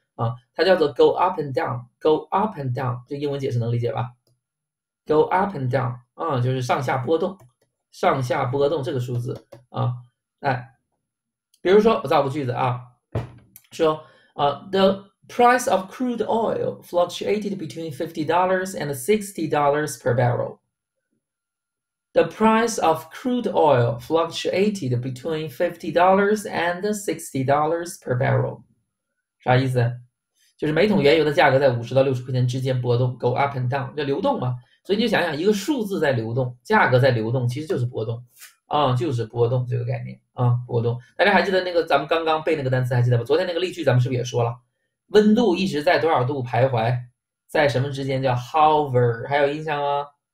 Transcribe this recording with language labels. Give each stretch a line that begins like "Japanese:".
Chinese: 啊，它叫做
English: go up and down，
Chinese: go up and down，这英文解释能理解吧？go up and down，就是上下波动，上下波动这个数字啊，哎，比如说我造个句子啊，说
English: the price of crude oil fluctuated between $50 and $60 per barrel。 The price of crude oil fluctuated between $50 and $60 per barrel，
Chinese: 啥意思？就是每桶原油的价格在50到60块钱之间波动，
English: go up and down，
Chinese: 叫流动嘛。所以你就想想，一个数字在流动，价格在流动，其实就是波动，就是波动这个概念啊，波动。大家还记得那个咱们刚刚背那个单词还记得吗？昨天那个例句咱们是不是也说了？温度一直在多少度徘徊，在什么之间叫 hover，还有印象吗？